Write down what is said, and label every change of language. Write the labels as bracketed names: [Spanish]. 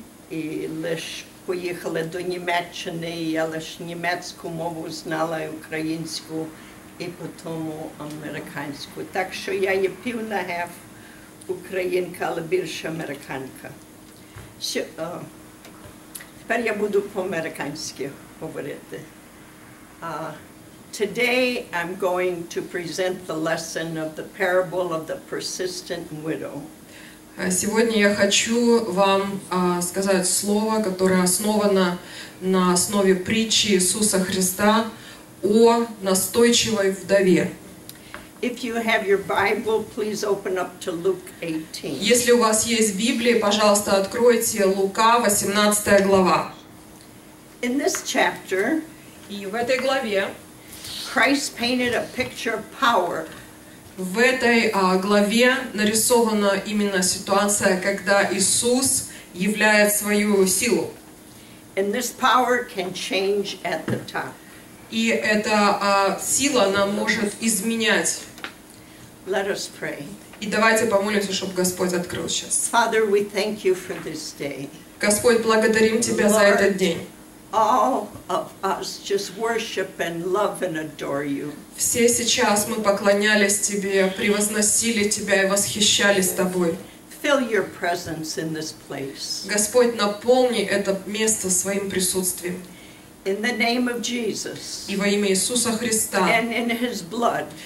[Ukrainian] І лише поїхала до Німеччини, я лише німецьку мову знала і українську. І по тому американську. Так що я є півнагев українка, але більше американка. Тепер я буду по-американськи говорити. [English] Today I'm going to present the lesson of the parable of the persistent widow. [Russian] Сьогодні я хочу вам сказати слово, яке основано на основі притчі Ісуса Христа о настойчивой вдове. [English] If you have your Bible, please open up to Luke 18. [Russian] Если у вас есть Библия, пожалуйста, откройте Лука 18 глава. [English] In this chapter, [Russian] и в этой главе, [English] Christ painted a picture of power. [Russian] В этой главе нарисована именно ситуация, когда Иисус являет свою силу. [English] And this power can change at the top. [Russian] И эта сила нам может изменять. [English] Let us pray. [Russian] И давайте помолимся, чтобы Господь открыл сейчас. [English] Father, we thank you for this day. [Russian] Господь, благодарим Тебя [English] Lord, [Russian] за этот день. [English] All of us just worship and love and adore you. [Russian] Все сейчас мы поклонялись Тебе, превозносили Тебя и восхищались Тобой. [English] Fill your presence in this place. [Russian] Господь, наполни это место своим присутствием. [English] In the name of Jesus. [Russian] И во имя Иисуса Христа. [English] And in His blood.